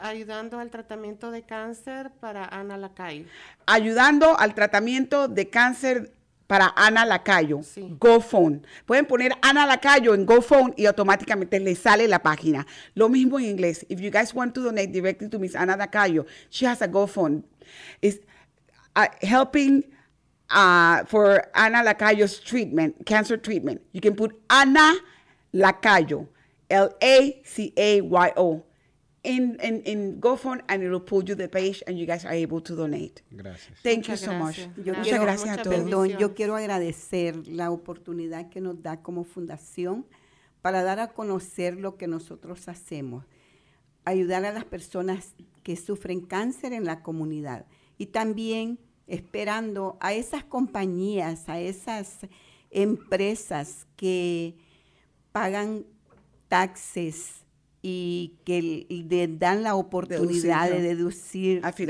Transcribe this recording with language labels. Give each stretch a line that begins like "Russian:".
Spanish: Ayudando al tratamiento de cáncer para Ana Lacayo. Ayudando al tratamiento de cáncer para Ana Lacayo, sí. GoFund. Pueden poner Ana Lacayo en GoFund y automáticamente les sale la página. Lo mismo en inglés.
English: If you guys want to donate directly to Miss Ana Lacayo, she has a GoFund. It's helping for Ana Lacayo's treatment, cancer treatment. You can put Ana Lacayo, L-A-C-A-Y-O, in GoFund and it will pull you the page and you guys are able to donate.
Spanish: Gracias. Thank muchas you so gracias. Much. Yo muchas quiero, gracias mucha a todos. Perdón, yo quiero agradecer la oportunidad que nos da como fundación para dar a conocer lo que nosotros hacemos. Ayudar a las personas que sufren cáncer en la comunidad y también esperando a esas compañías, a esas empresas que pagan taxes y que le dan la oportunidad de deducir